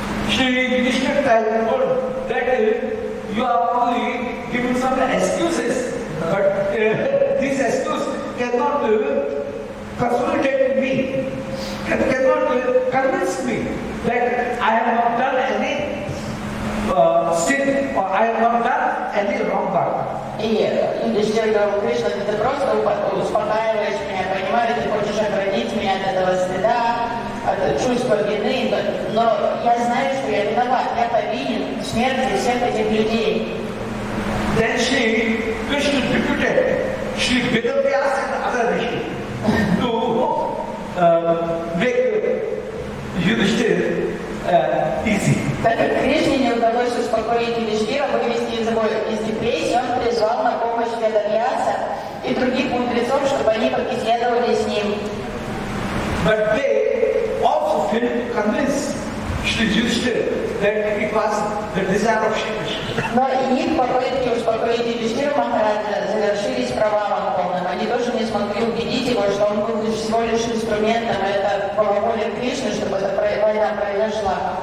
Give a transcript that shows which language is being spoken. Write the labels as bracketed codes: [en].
[en] Shri Yudhishthira told that you are only giving some excuses, but these excuses cannot consolidate me, cannot convince me that I have not done any sin or I have not done any wrong work. [ru] И Юдиштхира говорил: Кришна, ты просто успокаиваешь меня, понимаешь, ты хочешь оградить меня от этого стыда, от чувства вины, но я знаю, что я виноват, я повинен в смерти всех этих людей. [en] Then she, Krishna deputed, she bid up the ass and other rishi to make Yudhishthira easy. [ru] Так как Кришне не удалось успокоить Юдиштхира, вывести его из депрессии, он призвал на помощь Веда-Вьяса. и других мудрецов, чтобы они побеседовали с ним. [en] But they also failed to convince Shri Yudhishthira that it was the desire of Shri Krishna. [ru] Но их попытки успокоить Юдхиштхира Махараджа завершились провалом полным. Они тоже не смогли убедить его, что он был всего лишь инструментом, это была воля Кришны, чтобы эта война произошла.